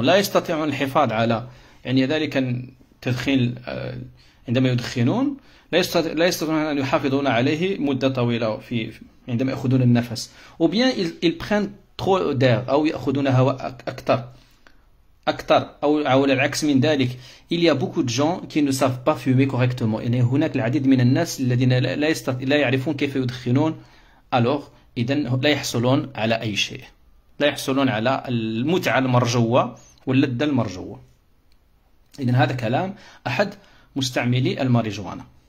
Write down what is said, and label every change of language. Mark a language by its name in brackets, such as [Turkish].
[Arabic] لا يستطيعون الحفاظ على، يعني ذلك التدخين، عندما يدخنون لا يستطيعون أن يحافظون عليه مدة طويلة في عندما يأخذون النفس. أو بيان [French] ils prennent trop d'air، [Arabic] أو يأخذون هواء أكثر، أو العكس من ذلك. [French] Il y a beaucoup de gens qui ne savent pas fumer correctement. [Arabic] يعني هناك العديد من الناس الذين لا يعرفون كيف يدخنون. Alors، إذن لا يحصلون على أي شيء. لا يحصلون على المتعة المرجوة واللذة المرجوة. إذن هذا كلام أحد مستعملي الماريجوانا.